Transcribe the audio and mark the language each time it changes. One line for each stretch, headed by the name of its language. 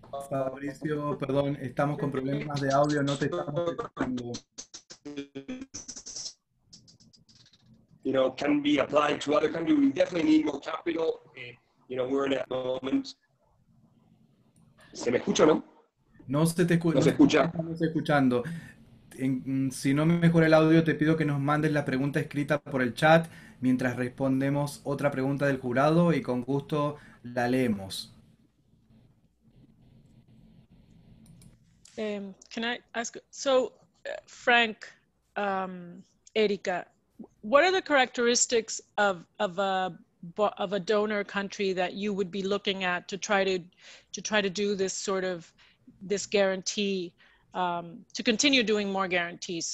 Spanish: Fabricio, perdón, estamos con problemas de audio, no te estamos escuchando.
English: You know, can be applied to other countries. We definitely need more capital. You know, we're in that moment.
Spanish: ¿Se me escucha o no? No se te escucha. No se escucha. No se escuchando. Si no me mejora el audio, te pido que nos mandes la pregunta escrita por el chat mientras respondemos otra pregunta del jurado y con gusto la leemos.
English: Can I ask? So, Frank, Erika, what are the characteristics of a donor country that you would be looking at to try to do this sort of this guarantee to continue doing more guarantees?